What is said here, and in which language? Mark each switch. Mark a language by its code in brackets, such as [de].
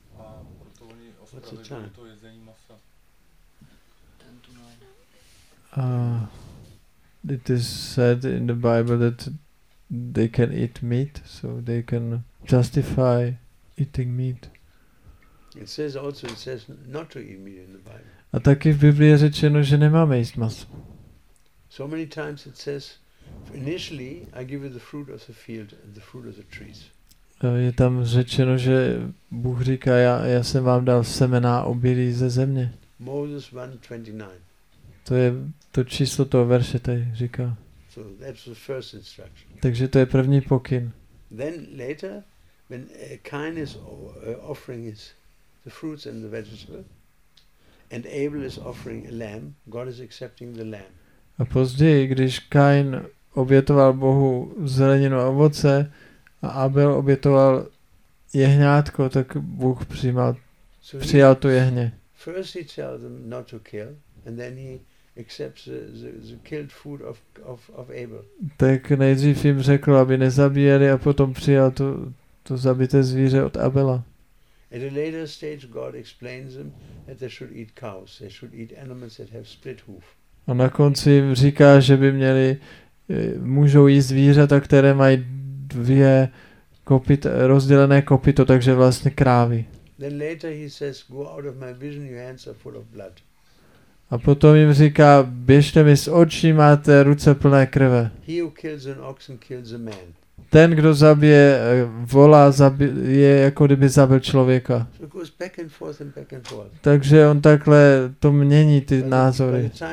[cs] A proto oni ospravedlňují to jezení masa. [en] It is said in the Bible that they can eat meat, so they can justify eating meat. It says also, it says not to eat meat in the Bible. [cs] A taky v Biblii je řečeno, že nemáme jíst maso. [en] So many times it says, initially I give you the fruit of the field and the fruit of the trees. [cs] Je tam řečeno, že Bůh říká, já jsem vám dal semena obilí ze země. [en] Moses 1:29. [cs] To je to číslo toho verše, tady říká. [en] So that's the first instruction. [cs] Takže to je první pokyn. [en] Then later, when Cain is offering his the fruits and the vegetables, and Abel is offering a lamb, God is accepting the lamb. [cs] A později, když Cain obětoval Bohu zeleninu a ovoce, a Abel obětoval jehňátko, tak Bůh přijal tu jehně. [en] First he tells them not to kill, and then he accepts the killed food of Abel. [cs] Tak nejdřív jim řekl, aby nezabíjeli, a potom přijal to zabité zvíře od Abela. [en] At a later stage, God explains them that they should eat cows. They should eat animals that have split hoof. [cs] A na konci jim říká, že by měli můžou jíst zvířata, které mají dvě kopyta, rozdělené kopyto, takže vlastně krávy. [en] Then later he says, "Go out of my vision. Your hands are full of blood." [cs] A potom jim říká, běžte mi z očí, máte ruce plné krve. [en] He who kills an oxen kills a man. [cs] Ten, kdo zabije vola, je jako kdyby zabil člověka. [en] So goes back and forth and back and forth. [cs] Takže on takhle to mění ty názory.